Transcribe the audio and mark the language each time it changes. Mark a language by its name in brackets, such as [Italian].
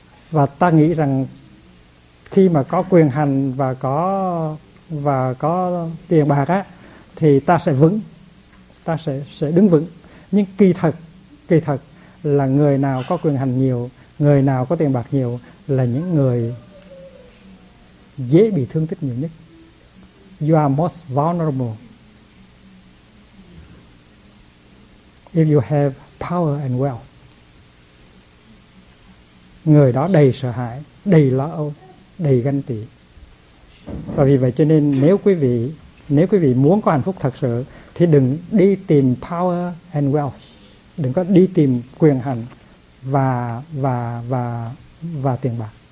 [Vietnamese] Và ta nghĩ rằng khi mà có quyền hành và có tiền bạc á, thì ta sẽ vững, ta sẽ đứng vững. Nhưng kỳ thật là người nào có quyền hành nhiều, người nào có tiền bạc nhiều là những người dễ bị thương tích nhiều nhất. [English] You are most vulnerable if you have power and wealth. [Vietnamese] Người đó đầy sợ hãi, đầy lo âu, đầy ganh tị. Và vì vậy cho nên nếu quý vị muốn có hạnh phúc thật sự thì đừng đi tìm [English] power and wealth, [Vietnamese] đừng có đi tìm quyền hành và tiền bạc.